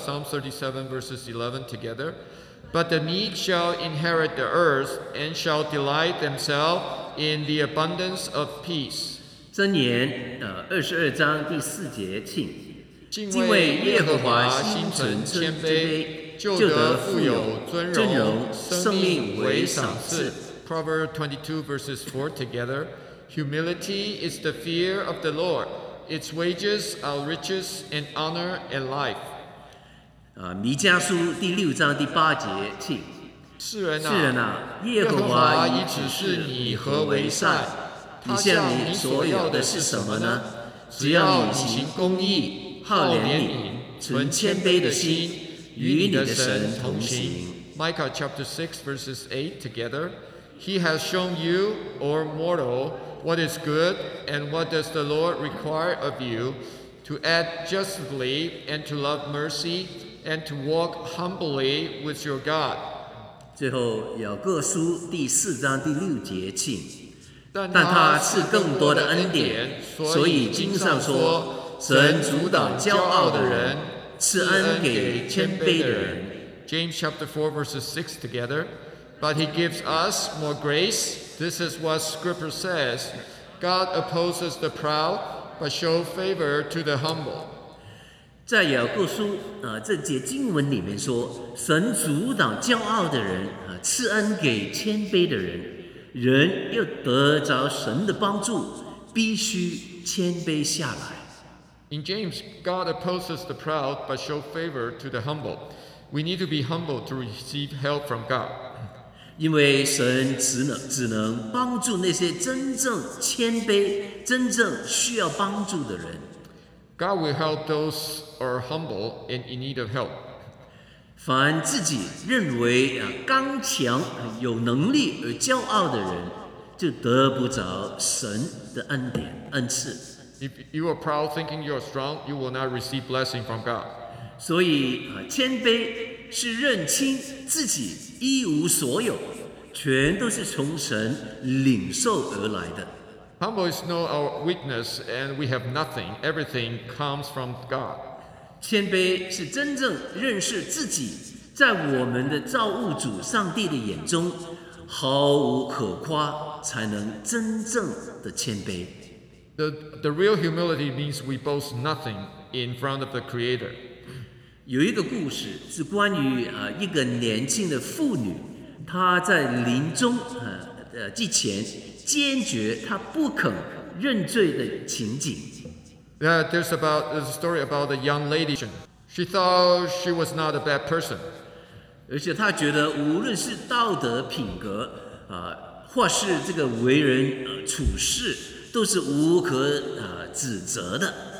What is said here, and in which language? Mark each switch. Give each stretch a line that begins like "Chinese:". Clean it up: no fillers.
English: Psalm 37 verses 11 together. But the meek shall inherit the earth and shall delight themselves in the abundance of peace.
Chinese: 箴言二十二章第四节，请敬畏耶和华，心存谦卑，就得富有尊荣，生命为赏赐。
English: Proverbs 22 verses 4 together. Humility is the fear of the Lord. Its wages are riches and honor and life.
Chinese: 弥迦书第六章第八节，请世人啊，耶和华已指示你何为善，他向你所要的是什么呢？只要你行公义，好怜悯，存谦卑的心，与你的神同行。
English: Micah chapter 6 verses 8 together. He has shown you, or mortal, what is good, and what does the Lord require of you, to act justly, and to love mercy, and to walk humbly with your God.
Chinese: 最后，雅各书第四章第六节，请但他赐更多的恩典，所以经上说，神阻挡骄傲的人，赐恩给谦卑的人。
English: James chapter 4 verses 6 together. But he gives us more grace. This is what scripture says. God opposes the proud, but shows favor to the humble.
Chinese: 在雅各书这节经文里面说，神阻挡骄傲的人，赐恩给谦卑的人，人又得着神的帮助，必须谦卑下来。
English: In James, God opposes the proud, but shows favor to the humble. We need to be humble to receive help from God.
Chinese: 因为神只能帮助那些真正谦卑、真正需要帮助的人。
English: God will help those who are humble and in need of help.
Chinese: 凡自己认为刚强、有能力而骄傲的人，就得不着神的恩典、恩赐。
English: If you are proud, thinking you are strong, you will not receive blessing from God.
Chinese: 所以，谦卑是认清自己一无所有，全都是从神领受而来的。
English: Humble is know our weakness and we have nothing. Everything comes from God.
Chinese: 谦卑是真正认识自己在我们的造物主上帝的眼中毫无可夸，才能真正的谦卑。
English: The real humility means we boast nothing in front of the Creator.
Chinese: 有一个故事是关于一个年轻的妇女，她在临终之前坚决她不肯认罪的情景。
English: There's a story about a young lady. She thought she was not a bad person.
Chinese: 而且她觉得无论是道德品格或是这个为人处事，都是无可指责的。